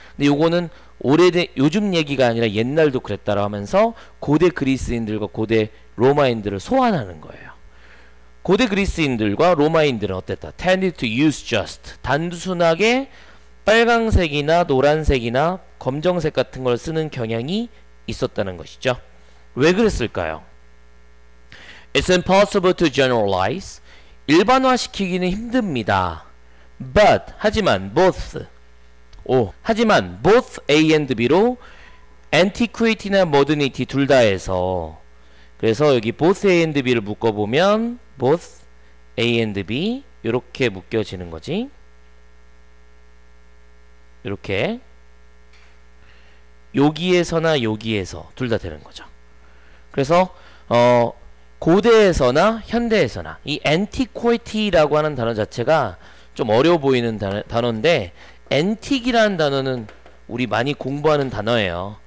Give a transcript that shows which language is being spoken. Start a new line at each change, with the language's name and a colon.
Korean: 근데 요거는 요즘 얘기가 아니라 옛날도 그랬다라고 하면서 고대 그리스인들과 고대 로마인들을 소환하는 거예요. 고대 그리스인들과 로마인들은 어땠다?
English: Tended to use just.
Korean: 단순하게 빨강색이나 노란색이나 검정색 같은 걸 쓰는 경향이 있었다는 것이죠. 왜 그랬을까요?
English: It's impossible to generalize.
Korean: 일반화시키기는 힘듭니다. But, 하지만, both. 오, 하지만 both A and B로 antiquity나 modernity 둘 다에서 그래서 여기 both A and B를 묶어보면 both A and B 이렇게 묶여지는 거지. 이렇게 여기에서나 여기에서 둘다 되는 거죠. 그래서 고대에서나 현대에서나 이 antiquity라고 하는 단어 자체가 좀 어려워 보이는 단어인데 엔틱이라는 단어는 우리 많이 공부하는 단어예요.